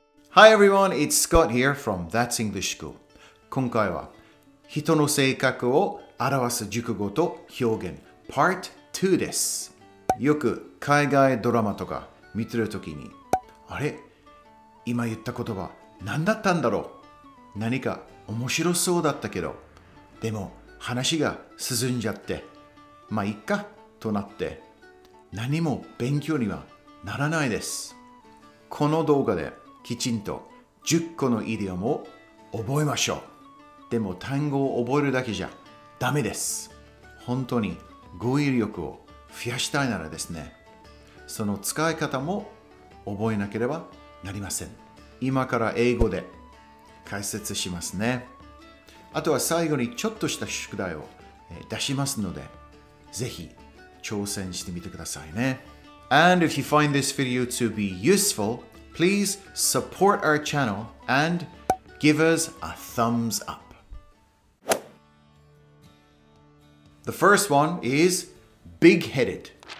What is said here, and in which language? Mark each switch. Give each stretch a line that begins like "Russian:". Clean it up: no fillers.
English: Hi everyone, it's Scott here from That's English School.
Japanese: 今回は人の性格を表す熟語と表現 Part 2です。よく海外ドラマとか見てるときに、あれ、今言った言葉何だったんだろう。何か面白そうだったけど、でも話が進んじゃって、まあいっかとなって、何も勉強にはならないです。この動画できちんと10個のイディオムを覚えましょう。でも単語を覚えるだけじゃダメです。本当に語彙力を増やしたいならですね、その使い方も覚えなければなりません。今から英語で解説しますね。あとは最後にちょっとした宿題を出しますので、ぜひ挑戦してみてくださいね。
English: And if you find this video to be useful, please support our channel and give us a thumbs up. The first one is big-headed.